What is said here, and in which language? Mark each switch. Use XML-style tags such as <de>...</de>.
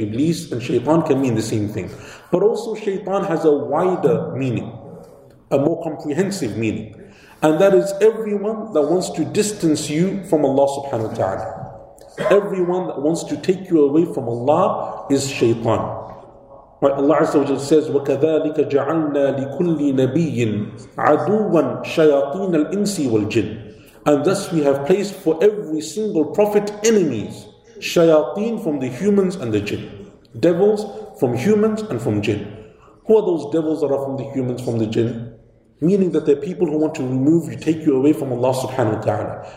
<en>Iblis and shaytan can mean the same thing. But also shaytan has a wider meaning, a more comprehensive meaning. And that is everyone that wants to distance you from Allah subhanahu wa ta'ala. Everyone that wants to take you away from Allah is shaytan. Right?</en> <ar>Allah Azza wa Jalla says, وَكَذَلِكَ جَعَلْنَا لِكُلِّ نَبِيٍّ عَدُوًا شَيَاطِينَ الْإِنْسِ وَالْجِنِّ.</ar> <en>And thus we have placed for every single prophet enemies, shayateen from the humans and the jinn. Devils from humans and from jinn. Who are those devils that are from the humans, from the jinn? Meaning that they're people who want to remove you, take you away from Allah subhanahu wa ta'ala.</en>